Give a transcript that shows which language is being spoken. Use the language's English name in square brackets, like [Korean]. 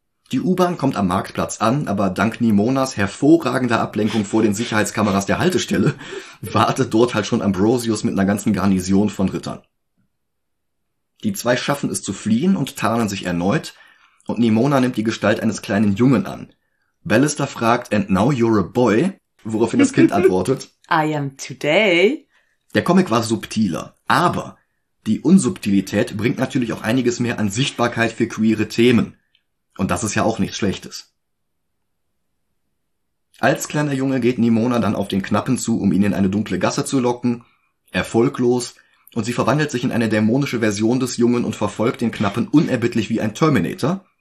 [German] Die U-Bahn kommt am Marktplatz an, aber dank Nimonas hervorragender Ablenkung vor den Sicherheitskameras der Haltestelle wartet dort halt schon Ambrosius mit einer ganzen Garnison von Rittern. Die zwei schaffen es zu fliehen und tarnen sich erneut und Nimona nimmt die Gestalt eines kleinen Jungen an. Ballister fragt, [English] and now you're a boy? [German] Woraufhin das Kind antwortet, [English] I am today. [German] Der Comic war subtiler, aber die Unsubtilität bringt natürlich auch einiges mehr an Sichtbarkeit für queere Themen. Und das ist ja auch nichts Schlechtes. Als kleiner Junge geht Nimona dann auf den Knappen zu, um ihn in eine dunkle Gasse zu locken, erfolglos, und sie verwandelt sich in eine dämonische Version des Jungen und verfolgt den Knappen unerbittlich wie ein Terminator.